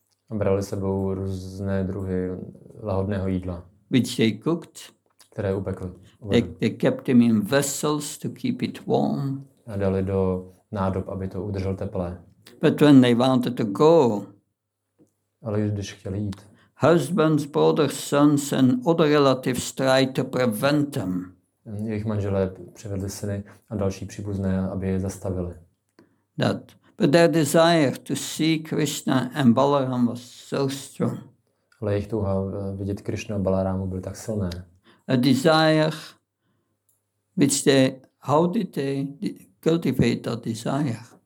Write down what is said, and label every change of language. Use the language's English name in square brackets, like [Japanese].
[Czech] Brali sebou různé druhy lahodného jídla, [English] which they cooked, [Czech] které upekli. [English] They kept them in vessels to keep it warm. [Czech] A dali do nádob, aby to udrželo teplé. [English] But when they wanted to go, [Czech] ale když chtěli jít, [English] husbands, brothers, sons and other relatives tried to prevent them. [Czech] Jejich manželé přivedli syny a další příbuzné, aby je zastavili. [English] That, but their desire to see Krishna and Balaram was so strong. [Czech] Ale jejich touha vidět Krishna a Balarámu byl tak silné. [English] A desire, which they, how did they cultivate that desire?